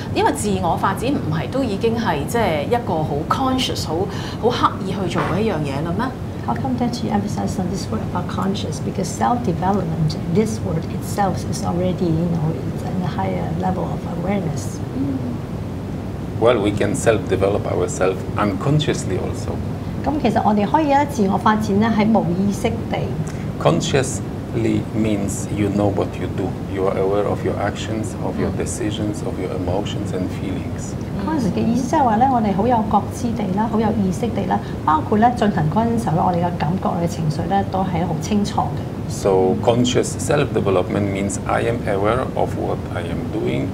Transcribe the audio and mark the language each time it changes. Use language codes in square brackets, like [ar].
[yue] 因為自我發展唔係都已經係即係一個好 conscious、好刻意去做嘅一樣嘢啦咩 [en] ？How come that you emphasize on this word about conscious? Because self-development, this word itself is already, you know, it's in a higher level of awareness. Well, we can self-develop ourselves unconsciously also. [yue] 咁其實我哋可以咧自我發展咧喺無意識地 [en] conscious。 Means you know what you do. You are aware of your actions, of your decisions, of your emotions and feelings. [yue] Conscious 嘅意思即係話咧，我哋好有覺知地啦，好有意識地啦，包括咧進行嗰陣時候咧，我哋嘅感覺、我嘅情緒咧，都係好清楚嘅。 [en] So conscious self-development means I am aware of what I am doing.